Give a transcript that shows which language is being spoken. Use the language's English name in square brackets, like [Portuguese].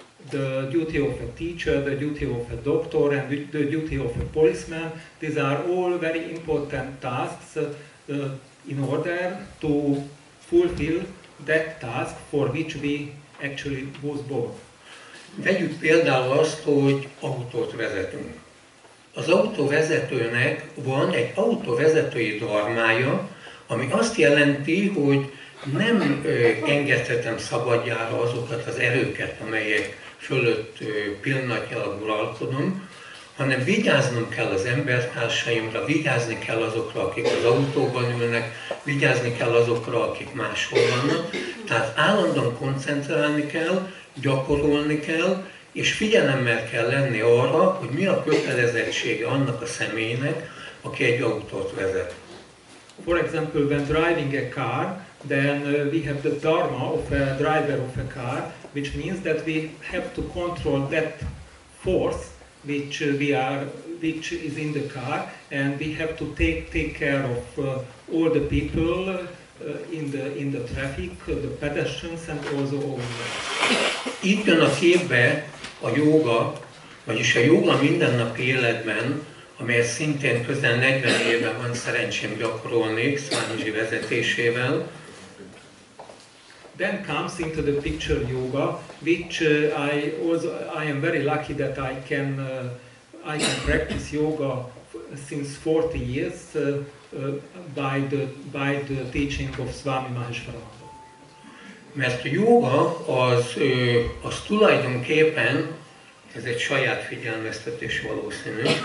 [English] The duty of a teacher, the duty of a doctor, and the duty of a policeman, these are all very important tasks in order to fulfill that task for which we actually was born. [Hungarian] Vegyük például azt, hogy autót vezetünk. Az autóvezetőnek van egy autóvezetői dharmája, ami azt jelenti, hogy nem engedhetem szabadjára azokat az erőket, amelyek fölött pillanatnyilag uralkodom, hanem vigyáznom kell az embertársaimra, vigyázni kell azokra, akik az autóban ülnek, vigyázni kell azokra, akik máshol vannak. Tehát állandóan koncentrálni kell, gyakorolni kell, és figyelemmel kell lenni arra, hogy mi a kötelezettsége annak a személynek, aki egy autót vezet. [English] For example, when driving a car, then we have the dharma of a driver of a car, which means that we have to control that force which we are, which is in the car, and we have to take care of all the people in the traffic, the pedestrians, and also all the. [Hungarian] Itt jön a képbe a jóga, vagyis a jóga mindennapi életben, amelyet szintén közel 40 éve van szerencsém gyakorolni Szabolcs vezetésével. [English] Then comes into the picture yoga, which I am very lucky that I can practice yoga since 40 years by the teaching of Swami Mahesharanda. [Hungarian] Mert a yoga az tulajdonképpen, ez egy saját figyelmeztetés valószínű.